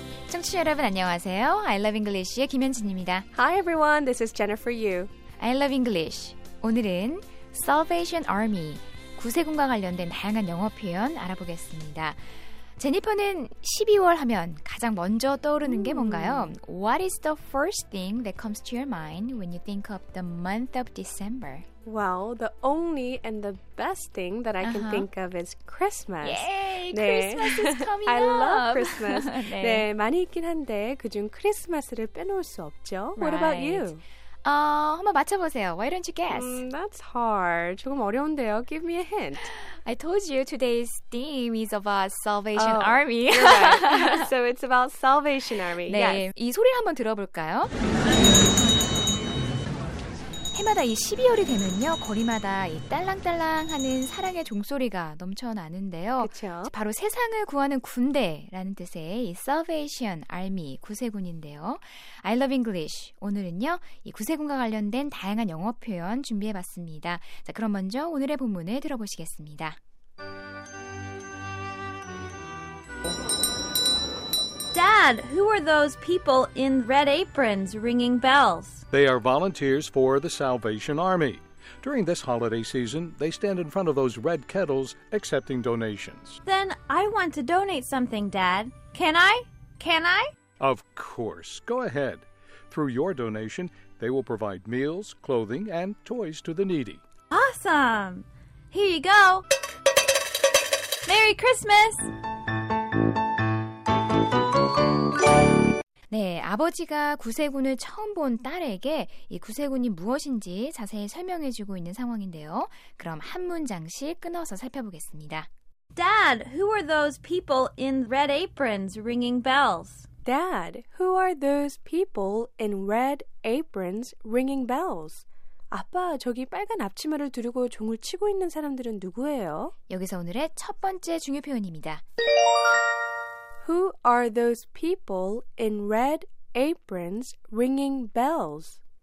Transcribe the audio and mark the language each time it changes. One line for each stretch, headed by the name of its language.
Korean: Hi, 여러분 안녕하세요. I love English의 김현진입니다.
English: Hi everyone. This is Jennifer Yu.
Korean: I love English. 오늘은 Salvation Army, 구세군과 관련된 다양한 영어 표현 알아보겠습니다. 제니퍼는 12월 하면 가장 먼저 떠오르는 게 뭔가요?
English: What is the first thing that comes to your mind when you think of the month of December? Well, the only and the best thing that I can think of is Christmas. Yay! 네. Christmas is coming up! I love Christmas. 네.
Korean: 네, 많이 있긴 한데 그중 크리스마스를 빼놓을 수 없죠.
English: Right. What about you?
Korean: 한번 맞춰보세요.
English: Why don't you guess? That's hard.
Korean: 조금 어려운데요.
English: Give me a hint. I told you today's theme is about Salvation Army. You're right. So it's about Salvation Army.
Korean: 네,
English: yes.
Korean: 이 소리를 한번 들어볼까요? 해마다 이 12월이 되면요. 거리마다 이 딸랑딸랑하는 사랑의 종소리가 넘쳐나는데요. 그쵸? 바로 세상을 구하는 군대라는 뜻의 이 Salvation Army, 구세군인데요. I love English. 오늘은요. 이 구세군과 관련된 다양한 영어 표현 준비해봤습니다. 자, 그럼 먼저 오늘의 본문을 들어보시겠습니다.
English: Dad, who are those people in red aprons ringing bells? They are volunteers for the Salvation Army. During this holiday season, they stand in front of those red kettles accepting donations. Then I want to donate something, Dad. Can I? Can I? Of course. Go ahead. Through your donation, they will provide meals, clothing, and toys to the needy. Awesome! Here you go! Merry Christmas!
Korean: 네, 아버지가 구세군을 처음 본 딸에게 이 구세군이 무엇인지 자세히 설명해 주고 있는 상황인데요. 그럼 한 문장씩 끊어서 살펴보겠습니다.
English: Dad, who are those people in red aprons ringing bells? Dad, who are those people in red aprons ringing bells?
Korean: 아빠, 저기 빨간 앞치마를 두르고 종을 치고 있는 사람들은 누구예요? 여기서 오늘의 첫 번째 중요 표현입니다.
English: Who are those people in red aprons ringing bells?